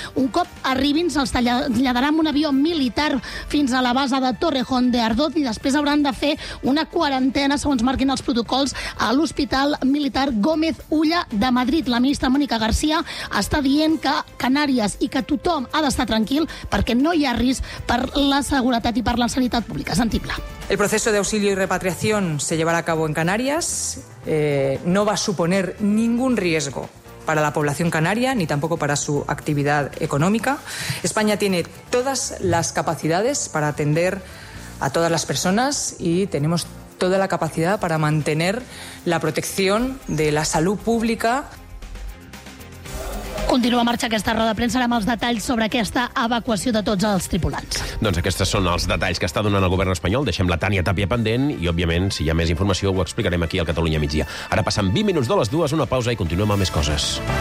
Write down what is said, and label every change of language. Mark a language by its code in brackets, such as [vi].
[ca] Un cop arribin, se'ls traslladarà amb un avió militar fins a la base de Torrejón de Ardoz i després hauran de fer una quarantena, segons marquin els protocols, a l'Hospital Militar Gómez Ulla de Madrid. La ministra Mònica García està dient que Canàries i que tothom ha d'estar tranquil perquè no hi ha risc per la seguretat i per la sanitat pública. Sentible. [es] El proceso de auxilio y repatriación se llevará a cabo en Canarias. No va a suponer ningún riesgo para la población canaria ni tampoco para su actividad económica. España tiene todas las capacidades para atender a todas las personas y tenemos toda la capacidad para mantener la protección de la salud pública. [ca] Continua en marxa aquesta roda de premsa amb els detalls sobre aquesta evacuació de tots els tripulants. Doncs aquests són els detalls que està donant el govern espanyol. Deixem la Tània Tàpia pendent i, òbviament, si hi ha més informació, ho explicarem aquí al Catalunya Migdia. Ara passen 20 minuts de les dues, una pausa i continuem amb més coses.